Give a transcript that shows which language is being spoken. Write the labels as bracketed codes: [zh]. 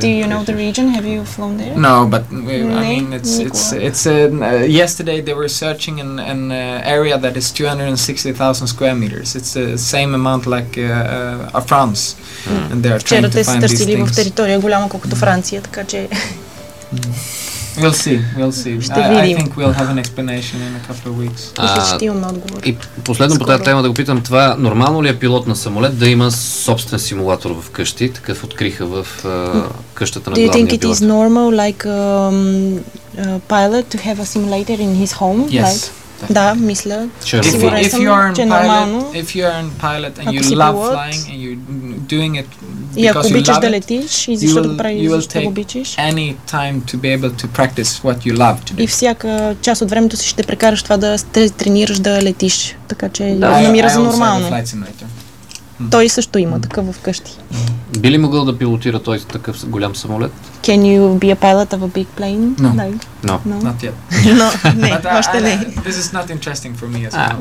[en] Do you know the region? Have you flown there? No, but I mean, it's yesterday they were searching in an area that is 260,000 square meters. It's the same amount like a France. And they are trying to find these things. [bg] Вчера те са търсили в територия голяма, колкото Франция, така че... [en] We'll see. I think we'll have an explanation in a couple of weeks. [bg] И последно по тази тема да го питам, това нормално ли е пилот на самолет да има собствен симулатор в къщи, такъв откриха в къщата на главния пилот? [en] Do you think it is normal like a pilot to have a simulator in his home? Yes. [bg] Like? Да, мисля. [en] If you are in pilot, if you are in pilot and you love pilot, flying and you're doing it because you love it. [bg] И ако обичаш да летиш, и защо да правиш, защото обичаш. [en] Any time to be able to practice what you love to do. [bg] И всяка част от времето си ще прекараш това да тренираш да летиш, така че да намира за нормално. Той също има такъв вкъщи. Би ли могъл да пилотира той такъв голям самолет? [en] Can you be a pilot of a big plane? No. No. Not yet. [bg] No, не, още не. [en] This is not interesting for me as well.